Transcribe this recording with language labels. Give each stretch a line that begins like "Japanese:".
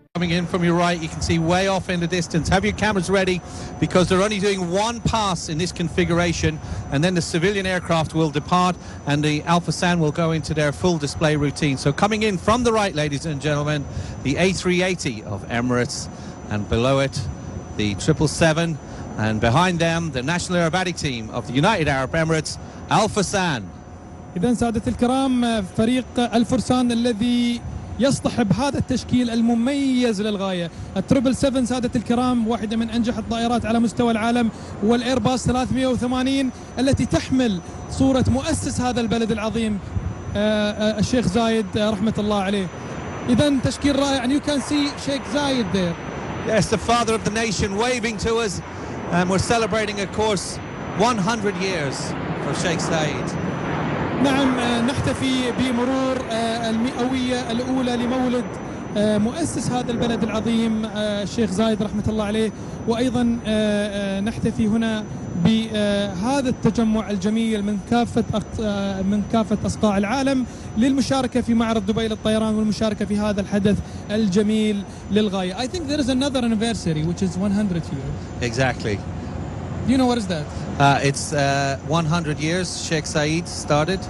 English: in from your right, you can see way off in the distance. Have your cameras ready, because they're only doing one pass in this configuration, and then the civilian aircraft will depart and the Alpha San will go into their full display routine. So coming in from the right, ladies and gentlemen, the A380 of Emirates, and below it the 777, and behind them the National Aerobatic Team of the United Arab Emirates, Alpha San.
Arabic: إذن سادة الكرام, فريق الفرسان الذي يصطحب هذا التشكيل المميز للغاية, التربل 7 سادة الكرام, واحدة من أنجح الطائرات على مستوى العالم, والإيرباص 380 التي تحمل صورة مؤسس هذا البلد العظيم الشيخ زايد رحمة الله عليه. إذن تشكيل رائع,
English: and you can see Sheikh Zayed there. Yes, the father of the nation waving to us, and we're celebrating of course 100 years for Sheikh Zayed.
Arabic: نعم, نحتفي بمرور المئوية الأولى لمولد مؤسس هذا البلد العظيم الشيخ زايد رحمة الله عليه, وأيضا نحتفي هنا بهذا التجمع الجميل من كافة أصقاع العالم للمشاركة في معرض دبي للطيران والمشاركة في هذا الحدث الجميل للغاية.
English: I think there is another anniversary which is 100 years. Exactly. Do you know what is that? It's 100 years Sheikh Zayed started.